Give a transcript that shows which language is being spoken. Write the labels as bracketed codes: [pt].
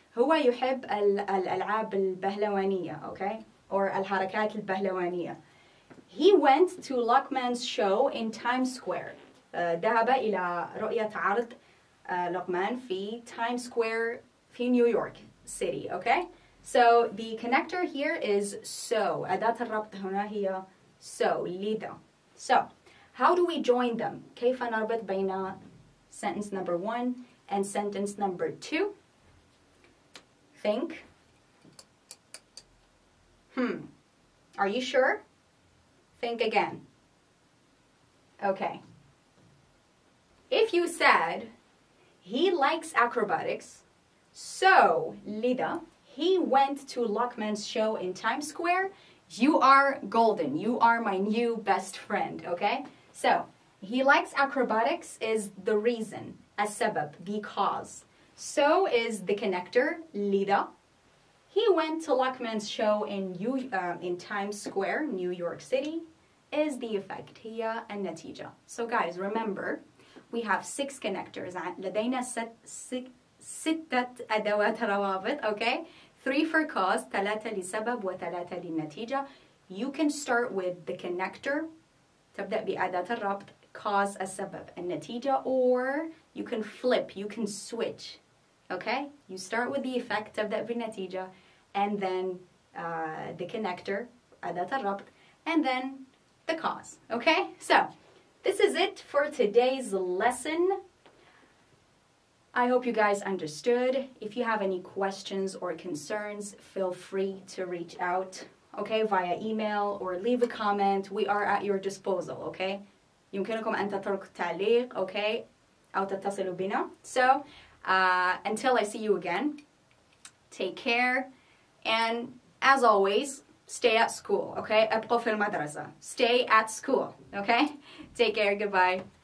[ar] هو يحب الألعاب البهلوانية, okay? Or الحركات البهلوانية. [en] He went to Lachman's show in Times Square. [ar] ذهب إلى رؤية عرض Lachman في Times Square في New York City, okay? [en] So the connector here is so. [ar] أداة الربط هنا هي so, لذا. [en] So, how do we join them? [ar] كيف نربط بين [en] sentence number one and sentence number two? Think. Are you sure? Think again. Okay. If you said, he likes acrobatics, so, Lida, he went to Lachman's show in Times Square, you are golden. You are my new best friend, okay? So, he likes acrobatics is the reason, السبب, because. So is the connector, Lida. He went to Lachman's show in Times Square, New York City. Is the effect, [ar] هي النتيجة. [en] So guys, remember, we have six connectors. [ar] لدينا ستة أدوات روابط, okay? [en] Three for cause, [ar] ثلاثة لسبب وثلاثة للنتيجة. [en] You can start with the connector. [ar] تبدأ بأداة الربط, cause, السبب, النتيجة. [en] Or you can flip, you can switch, okay? You start with the effect, [ar] تبدأ بالنتيجة. [en] And then the connector, [ar] أداة الربط. [en] And then the cause, okay? So, this is it for today's lesson. I hope you guys understood. If you have any questions or concerns, feel free to reach out, okay, via email or leave a comment. We are at your disposal, okay? [ar] يمكنكم أن تتركوا تعليق, okay? أو تتصلوا بنا. [en] So, until I see you again, take care. And as always, stay at school, okay? [ar] ابقوا في المدرسة. [en] Stay at school, okay? Take care, goodbye.